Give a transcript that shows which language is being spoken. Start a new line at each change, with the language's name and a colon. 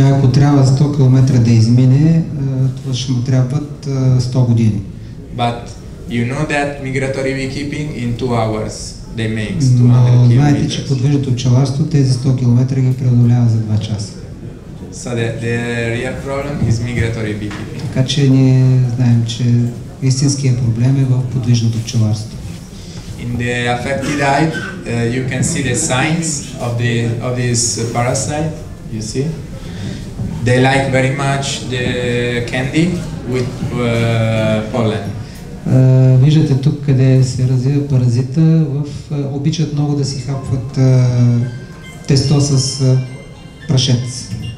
Bulgarian: Ако трябва 100 км да измине, това ще му трябват 100 години.
English: But you know that migratory beekeeping in 2 hours they makes 200 km.
Bulgarian: Знаете, че подвижното пчеларство тези 100 км ги преодолява за 2 часа.
English: So the real problem is migratory beekeeping.
Bulgarian: Така че ние знаем, че истинският проблем е в подвижното пчеларство.
English: In the affected hive, you can see the signs of this parasite, you see? They like very much the candy with pollen.
Bulgarian: Виждате тук къде се развива паразита, обичат много да си хапват тесто с прашец.